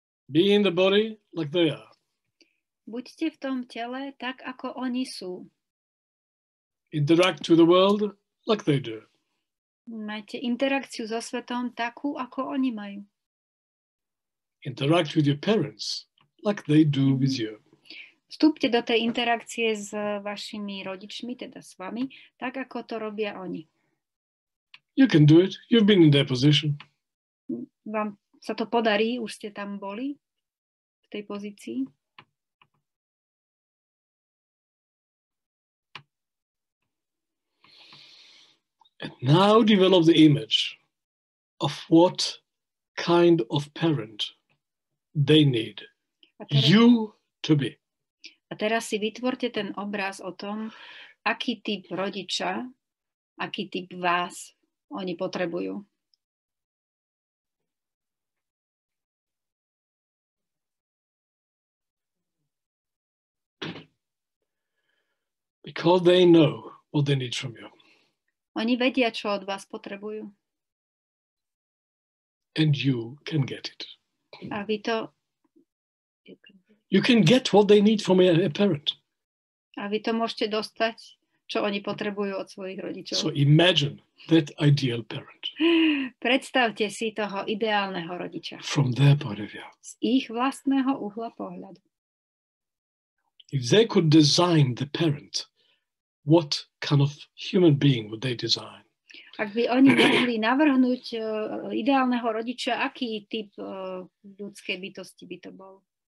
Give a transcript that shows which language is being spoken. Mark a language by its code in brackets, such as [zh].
[en] Be in the body like they are. [sk] Buďte v tom tele tak, ako oni sú. [en] Interact with the world like they do. [sk] Majte interakciu so svetom takú, ako oni majú. [en] Interact with your parents like they do with you. [sk] Vstúpte do tej interakcie s vašimi rodičmi, teda s vami, tak, ako to robia oni. [en] You can do it. You've been in their position. [sk] Vám sa to podarí, už ste tam boli v tej pozícii. [en] And now develop the image of what kind of parent they need you to be. [sk] A teraz si vytvorte ten obraz o tom, aký typ rodiča, aký typ vás oni potrebujú. [en] Because they know what they need from you. [sk] Oni vedia, čo od vás potrebujú. [en] And you can get it. [sk] A vy to... [en] You can get what they need from a parent. [sk] A vy to môžete dostať, čo oni potrebujú od svojich rodičov. [en] So imagine that ideal parent. [sk] Predstavte si toho ideálneho rodiča. [en] From their point of view. [sk] Z ich vlastného uhla pohľadu. [en] If they could design the parent, what kind of human being would they design? [sk] Ak by oni mohli navrhnúť ideálneho rodiča, aký typ ľudskej bytosti by to bol?